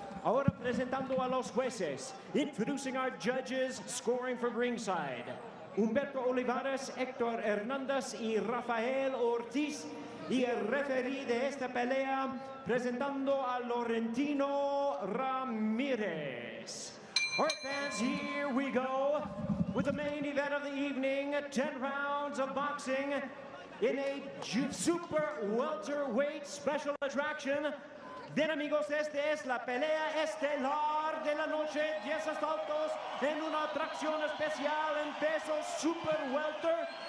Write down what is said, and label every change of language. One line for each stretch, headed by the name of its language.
Spanish: Ahora presentando a los jueces.
English: Introducing our judges, scoring from ringside.
Spanish: Humberto Olivares, Héctor Hernández y Rafael Ortiz. Y el referí de esta pelea, presentando a Laurentino Ramírez.
English: All right, fans, here we go. With the main event of the evening, 10 rounds of boxing in a super welterweight special attraction.
Spanish: Bien, amigos, esta es la pelea estelar de la noche. 10 asaltos en una atracción especial en peso super welter.